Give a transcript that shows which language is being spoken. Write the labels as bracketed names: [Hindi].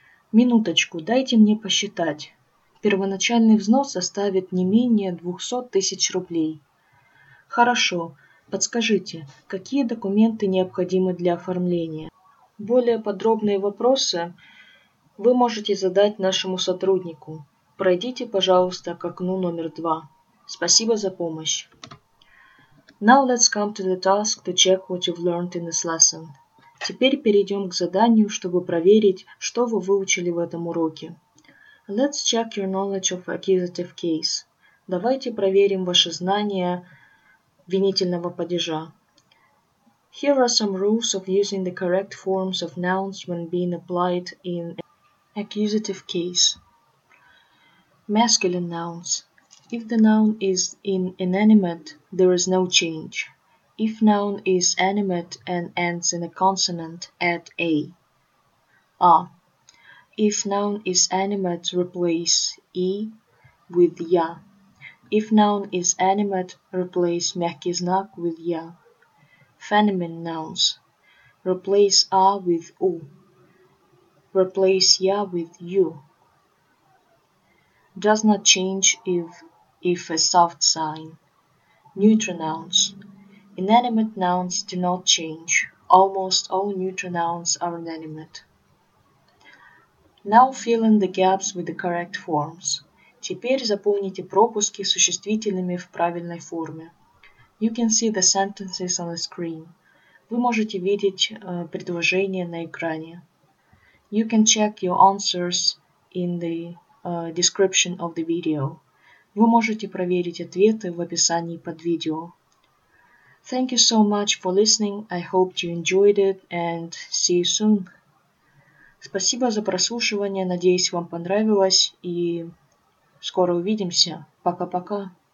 [Russian] Минуточку, дайте мне посчитать. Первоначальный взнос составит не менее 200 000 рублей. Хорошо, подскажите, какие документы необходимы для оформления? Более подробные вопросы вы можете задать нашему сотруднику. Пройдите, пожалуйста, к окну номер 2. Спасибо за помощь. [English] Now let's come to the task to check what you've learned in this lesson. [Russian] Теперь перейдем к заданию, чтобы проверить, что вы выучили в этом уроке. [English] Let's check your knowledge of accusative case. [Russian] Давайте проверим ваши знания винительного падежа. [English] Here are some rules of using the correct forms of nouns when being applied in accusative case. Masculine nouns. If the noun is in inanimate, there is no change. If noun is animate and ends in a consonant, add a. A. If noun is animate, replace e with ya. If noun is animate, replace [Russian] мягкий знак [English] with ya. Feminine nouns. Replace a with u. Replace ya with you. Does not change if a soft sign. Neutral nouns. Inanimate nouns do not change. Almost all neutral nouns are inanimate. Now fill in the gaps with the correct forms. [Russian] Теперь заполните пропуски существительными в правильной форме. [English] You can see the sentences on the screen. [Russian] Вы можете видеть предложения на экране. [English] You can check your answers in the description of the video. [Russian] Вы можете проверить ответы в описании под видео. [English] Thank you so much for listening. I hope you enjoyed it and see you soon. [Russian] Спасибо за прослушивание. Надеюсь, вам понравилось. И скоро увидимся. Пока-пока.